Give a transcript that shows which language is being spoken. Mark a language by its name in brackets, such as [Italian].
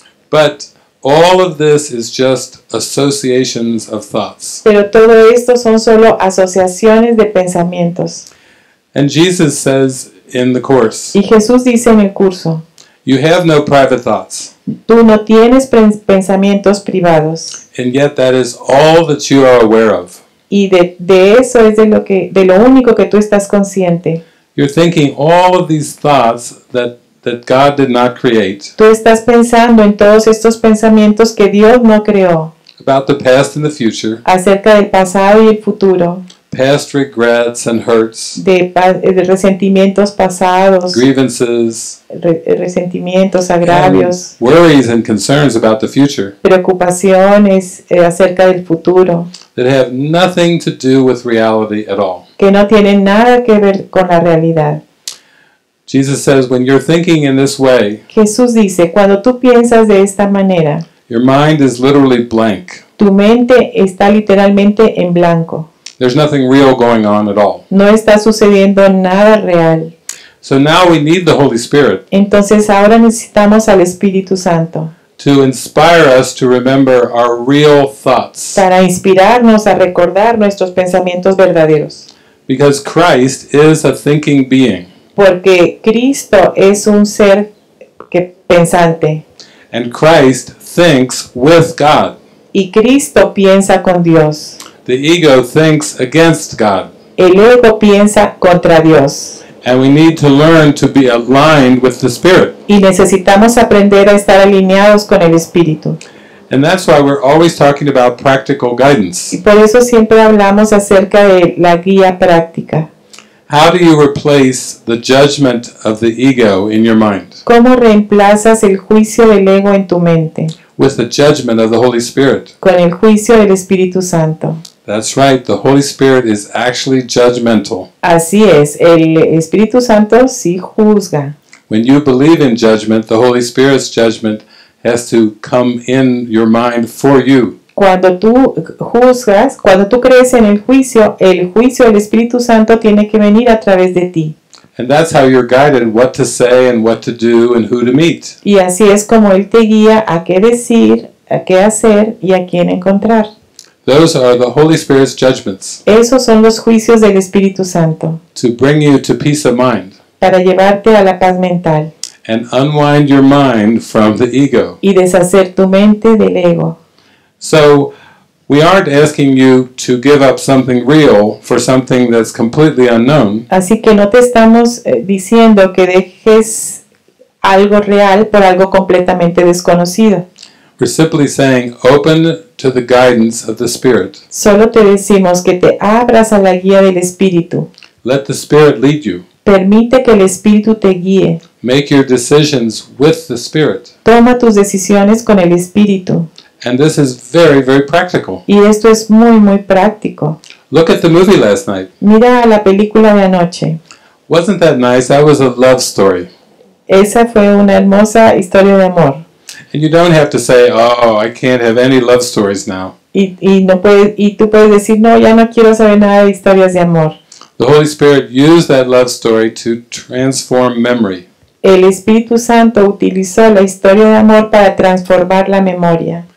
[English] But all of this is just associations of thoughts. [Spanish] Pero todo esto son solo asociaciones de pensamientos. [English] And Jesus says in the course. [Spanish] Y Jesús dice en el curso. [English] You have no private thoughts. [Spanish] Tú no tienes pensamientos privados. [English] And yet that is all that you are aware of. [Spanish] Y de eso es de lo único que tú estás consciente. [English] You're thinking all of these thoughts that God did not create. [Spanish] Tú estás pensando en todos estos pensamientos que Dios no creó. [English] About the past and the future. [Spanish] Acerca del pasado y el futuro. [English] Past regrets and hurts. [Spanish] De resentimientos pasados. [English] Grievances. [Spanish] Resentimientos, agravios. [English] And worries and concerns about the future. [Spanish] Preocupaciones acerca del futuro. [English] That have nothing to do with reality at all. [Spanish] Que no tienen nada que ver con la realidad. [English] Jesus says, when you're thinking in this way. [Spanish] Jesús dice, cuando tú piensas de esta manera. [English] Your mind is literally blank. [Spanish] Tu mente está literalmente en blanco. [English] There's nothing real going on at all. [Spanish] No está sucediendo nada real. [English] So now we need the Holy Spirit. [Spanish] Entonces ahora necesitamos al Espíritu Santo. [English] To inspire us to remember our real thoughts. [Spanish] Para inspirarnos a recordar nuestros pensamientos verdaderos. [English] Because Christ is a thinking being. [Spanish] Porque Cristo es un ser que pensante. [English] And Christ thinks with God. [Spanish] Y Cristo piensa con Dios. [English] The ego thinks against God. [Spanish] El ego piensa contra Dios. [English] And we need to learn to be aligned with the Spirit. [Spanish] Y necesitamos aprender a estar alineados con el Espíritu. [English] And that's why we're always talking about practical guidance. [Spanish] Y por eso siempre hablamos acerca de la guía práctica. [English] How do you replace the judgment of the ego in your mind? [Spanish] ¿Cómo reemplazas el juicio del ego en tu mente? [English] With the judgment of the Holy Spirit. [Spanish] Con el juicio del Espíritu Santo. [English] That's right, the Holy Spirit is actually judgmental. [Spanish] Así es, el Espíritu Santo sí juzga. [English] When you believe in judgment, the Holy Spirit's judgment has to come in your mind for you. [Spanish] Cuando tú juzgas, cuando tú crees en el juicio del Espíritu Santo tiene que venir a través de ti. [English] And that's how you're guided what to say and what to do and who to meet. [Spanish] Y así es como él te guía a qué decir, a qué hacer y a quién encontrar. [English] Those are the Holy Spirit's judgments. [Spanish] Esos son los juicios del Espíritu Santo. [English] To bring you to peace of mind. [Spanish] Para llevarte a la paz mental. [English] And unwind your mind from the ego. [Spanish] Y deshacer tu mente del ego. [English] So, we aren't asking you to give up something real for something that's completely unknown. [Spanish] Así que no te estamos diciendo que dejes algo real por algo completamente desconocido. [English] We're simply saying open to the guidance of the Spirit. [Spanish] Solo te decimos que te abras a la guía del Espíritu. [English] Let the Spirit lead you. [Spanish] Permite que el Espíritu te guíe. [English] Make your decisions with the Spirit. [Spanish] Toma tus decisiones con el Espíritu. [English] And this is very, very practical. [Spanish] Y esto es muy, muy práctico. [English] Look at the movie last night. [Spanish] Mira la película de anoche. [English] Wasn't that nice? That was a love story. [Spanish] Esa fue una hermosa historia de amor. [English] And you don't have to say, oh, I can't have any love stories now. [Spanish] Y tú puedes decir, no, ya no quiero saber nada de historias de amor. [English] The Holy Spirit used that love story to transform memory. [Spanish] El Espíritu Santo utilizó la historia de amor para transformar la memoria.